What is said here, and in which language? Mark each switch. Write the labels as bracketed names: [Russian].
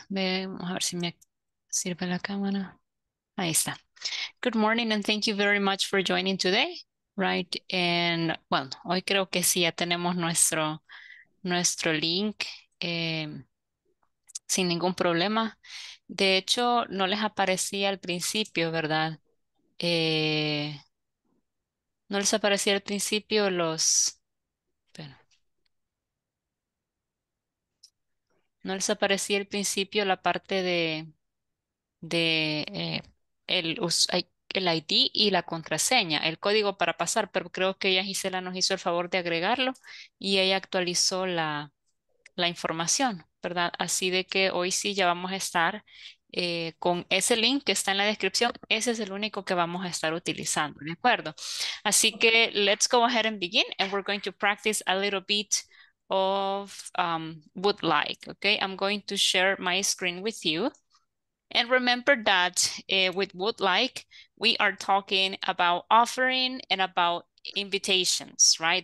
[Spanish] Vamos a ver si me sirve la cámara. Ahí está. [English] Good morning and thank you very much for joining today, right? And, well, [Spanish] hoy creo que sí ya tenemos nuestro link sin ningún problema. De hecho, no les aparecía al principio, ¿verdad? No les aparecía al principio los... No les aparecía al principio la parte de el ID y la contraseña, el código para pasar, pero creo que ella Gisela nos hizo el favor de agregarlo y ella actualizó la información, ¿verdad? Así de que hoy sí ya vamos a estar con ese link que está en la descripción. Ese es el único que vamos a estar utilizando, ¿de acuerdo? Así que [English] let's go ahead and begin and we're going to practice a little bit of would like. Okay, I'm going to share my screen with you. And remember that with would like, we are talking about offering and about invitations, right?